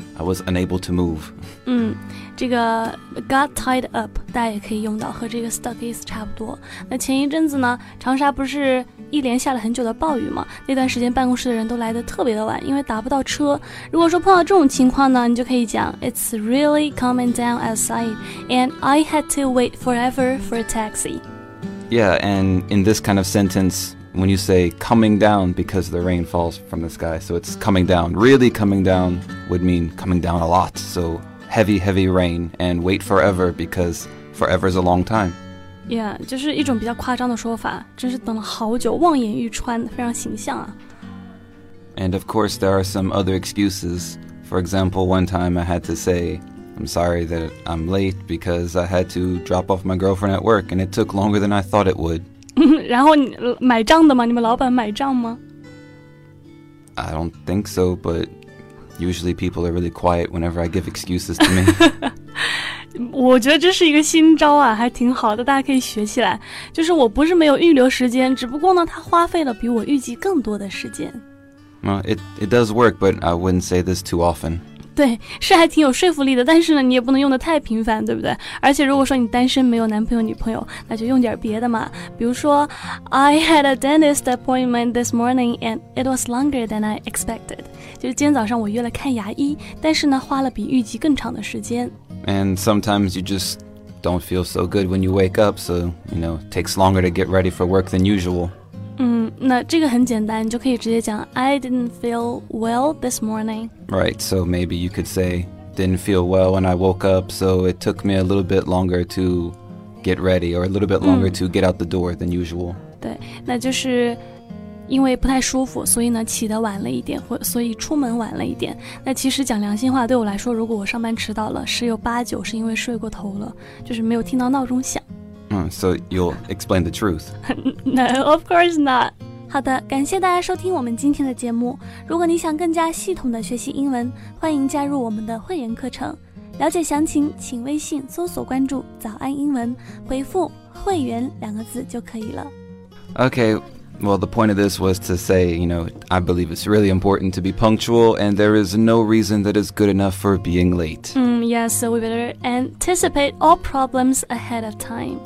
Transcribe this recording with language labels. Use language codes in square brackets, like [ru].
[en] I was unable to move. [zh] 这个 got tied up 大家也可以用到，和这个 stuck is 差不多。那前一阵子呢，长沙不是一连下了很久的暴雨吗？那段时间办公室的人都来得特别的晚，因为打不到车。如果说碰到这种情况呢，你就可以讲 [en] It's really coming down outside and I had to wait forever for a taxi. Yeah, and in this kind of sentence, when you say coming down because the rain falls from the sky, so it's coming down, really coming downwould mean coming down a lot, so heavy, heavy rain, and wait forever, because forever is a long time. [zh] Yeah, 就是一种比较夸张的说法，真是等了好久，望眼欲穿，非常形象啊。 [en] And of course, there are some other excuses. For example, one time I had to say, I'm sorry that I'm late, because I had to drop off my girlfriend at work, and it took longer than I thought it would. [zh] 然后你买账的吗？你们老板买账吗？ [en] I don't think so, but...Usually people are really quiet whenever I give excuses to me. [zh] 我觉得这是一个新招啊，还挺好的，大家可以学起来。就是我不是没有预留时间，只不过呢，他花费了比我预计更多的时间。 [en] Well, it does work, but I wouldn't say this too often. [zh] 对，是还挺有说服力的，但是呢，你也不能用得太频繁，对不对？而且如果说你单身没有男朋友女朋友，那就用点别的嘛。 [en] 比如说 ，I had a dentist appointment this morning and it was longer than I expected. [zh] 就是今天早上我约了看牙医，但是呢，花了比预计更长的时间。 [en] And sometimes you just don't feel so good when you wake up, so you know, it takes longer to get ready for work than usual. [zh] 那这个很简单，你就可以直接讲 [en] I didn't feel well this morning. Right, so maybe you could say didn't feel well when I woke up, so it took me a little bit longer to get ready or a little bit longer to get out the door than usual. [zh] 对，那就是因为不太舒服，所以呢起得晚了一点，或所以出门晚了一点。那其实讲良心话，对我来说，如果我上班迟到了，十有八九是因为睡过头了，就是没有听到闹钟响。 [en] So you'll explain the truth. No, of course not. [zh] 好的，感谢大家收听我们今天的节目。如果你想更加系统的学习英文，欢迎加入我们的会员课程。了解详情，请微信搜索关注早安英文，回复会员两个字就可以了。 [en] Okay, well, the point of this was to say, you know, I believe it's really important to be punctual, and there is no reason that is good enough for being late. Yes, so we better anticipate all problems ahead of time.